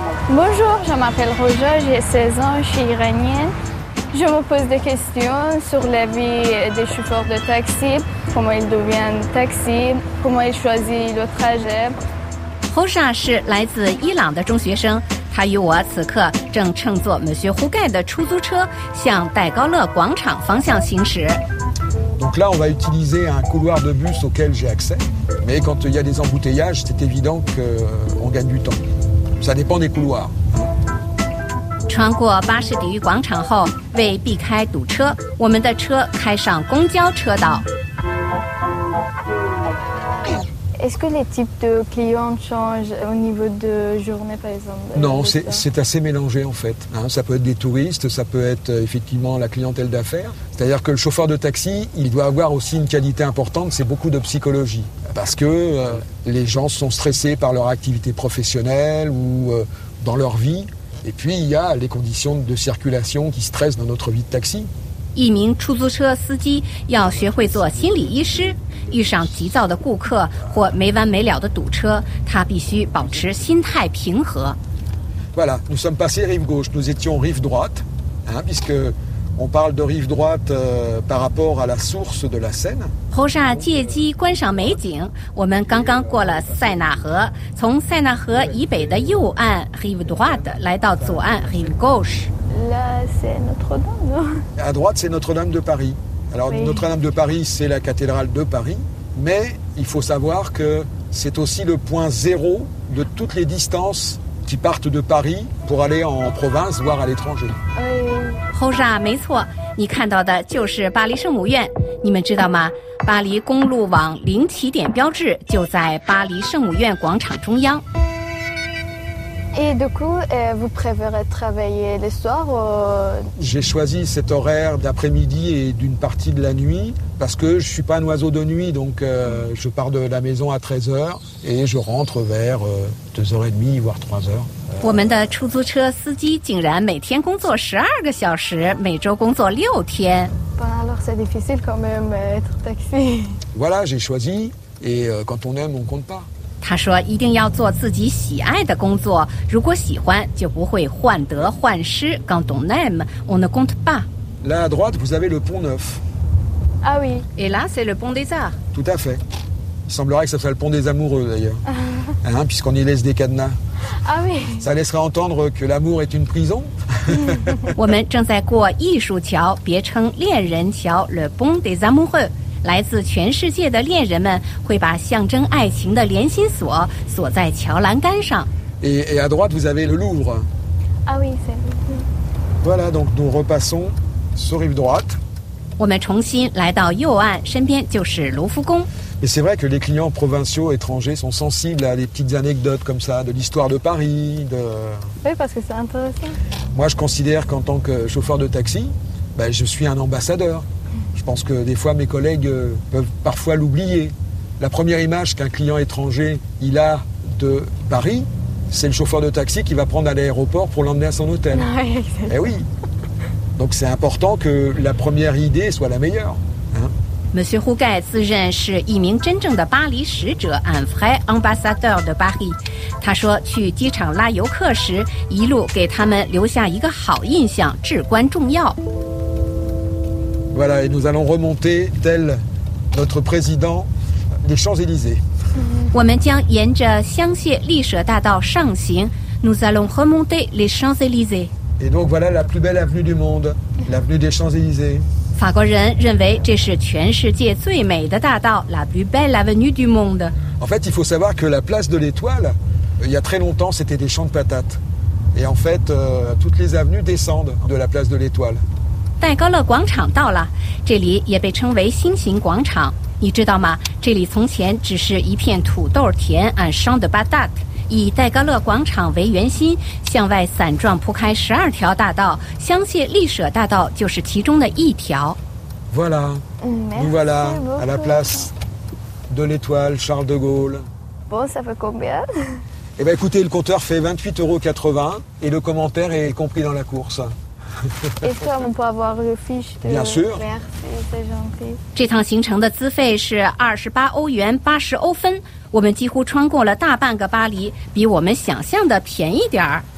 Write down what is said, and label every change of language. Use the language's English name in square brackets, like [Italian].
[French] Bonjour, je m'appelle Roger, j'ai 16 ans, je suis iranienne. Je me pose des questions sur la vie des chauffeurs de taxi, comment ils deviennent taxi, comment ils choisissent le trajet. [Chinese] Roger 是来自伊朗的中学生，他与我此刻正乘坐 Monsieur Hougay 的出租车向戴高乐广场方向行驶。 [French] Donc là, on va utiliser un couloir de bus auquel j'ai accès. Mais quand il y a des embouteillages, c'est évident qu'on gagne du temps. Ça dépend des couloirs. [Chinese] 穿过巴士底狱广场后，为避开堵车，我们的车开上公交车道。 [French] Est-ce que les types de clients changent au niveau de journée, par exemple? Non, c'est assez mélangé en fait. Ça peut être des touristes, ça peut être effectivement la clientèle d'affaires. C'est-à-dire que le chauffeur de taxi, il doit avoir aussi une qualité importante, c'est beaucoup de psychologie. Parce que les gens sont stressés par leur activité professionnelle ou dans leur vie. Et puis, il y a les conditions de circulation qui stressent dans notre vie de taxi. [Chinese] 一名出租车司机要学会做心理医师。遇上急躁的顾客或没完没了的堵车，他必须保持心态平和。 [French] Voilà, nous sommes passés rive gauche, nous étions rive droite, hein, puisqueOn parle de rive droite par rapport à la source de la Seine. [Chinese] Rosa 借机观赏美景。我们刚刚过了塞纳河，从塞纳河以北的右岸 [French] rive droite [Chinese] 来到左岸 [French] rive gauche. Là, c'est Notre-Dame. À droite, c'est Notre-Dame de Paris. Alors, oui. Notre-Dame de Paris, c'est la cathédrale de Paris. Mais il faut savoir que c'est aussi le point zéro de toutes les distances. Qui partent de Paris pour aller en province, voire à l'étranger. [Chinese] Rosa, 没错，你看到的就是巴黎圣母院。你们知道吗？巴黎公路网零起点标志就在巴黎圣母院广场中央。 [French] Et du coup, vous préférez travailler le soir ou... J'ai choisi cet horaire d'après-midi et d'une partie de la nuit parce que je ne suis pas un oiseau de nuit, donc je pars de la maison à 13h et je rentre vers 2h30, voire 3h. [Chinese] 我们的出租车司机竟然每天工作12个小时，每周工作6天。 [French] Bon, alors c'est difficile quand même être taxi. Voilà, j'ai choisi et quand on aime, on compte pas. [Chinese] 他说一定要做自己喜爱的工作，如果喜欢就不会患得患失。 [French] Quand on aime, on ne compte pas. Là à droite, vous avez le pont neuf. Ah oui. Et là, c'est le pont des arts. Tout à fait. Il semblerait que ça soit le pont des amoureux d'ailleurs. Hein, puisqu'on y laisse des cadenas. Ah oui. Ça laisserait entendre que l'amour est une prison. [Chinese] 我们正在过艺术桥，别称恋人桥， [French] le pont des amoureux. [Chinese] 来自全世界的恋人们会把象征爱情的连心锁锁在桥栏杆上。 [French] Et à droite, vous avez le Louvre. Ah oui, c'est le Louvre. Voilà, donc nous repassons sur rive droite. [Chinese] 我们重新来到右岸，身边就是卢浮宫。 [French] Et c'est vrai que les clients provinciaux étrangers sont sensibles à des petites anecdotes comme ça, de l'histoire de Paris, de... Oui, parce que c'est intéressant. Moi, je considère qu'en tant que chauffeur de taxi, ben, je suis un ambassadeur. Je pense que des fois mes collègues peuvent parfois l'oublier. La première image qu'un client étranger il a de Paris, c'est le chauffeur de taxi qui va prendre à l'aéroport pour l'emmener à son hôtel. Eh oui. Donc c'est important que la première idée soit la meilleure. [Chinese] Monsieur Hougay 自认是一名真正的巴黎使者 ， [French] un vrai ambassadeur de Paris. [Chinese] 他说去机场拉游客时，一路给他们留下一个好印象至关重要。 [French] Voilà, et nous allons remonter telle notre président des Champs-Élysées. Nous allons remonter les Champs-Élysées. Et donc voilà la plus belle avenue du monde, l'avenue des Champs-Élysées. [Chinese] 法国人认为这是全世界最美的大道, [French] la plus belle avenue du monde. En fait, il faut savoir que la place de l'Étoile, il y a très longtemps, c'était des champs de patates. Et en fait, toutes les avenues descendent de la place de l'Étoile. [Chinese] 戴高乐广场到了,这里也被称为新型广场。你知道吗?这里从前只是一片土豆田, [French] un champ de patates, [Chinese] 以戴高乐广场为圆心,向外散状铺开12条大道,香榭丽舍大道就是其中的一条。 [French] Voilà, nous voilà à la place de l'Étoile Charles de Gaulle. Bon, ça fait combien? Eh bien écoutez, le compteur fait 28,80€ et le commentaire est compris dans la course. Est-ce qu'on peut avoir le fiche de... Bien sûr. Merci, c'est gentil. [Chinese] 这趟行程的资费是28欧元80欧分, 我们几乎穿过了大半个巴黎, 比我们想象的便宜点儿。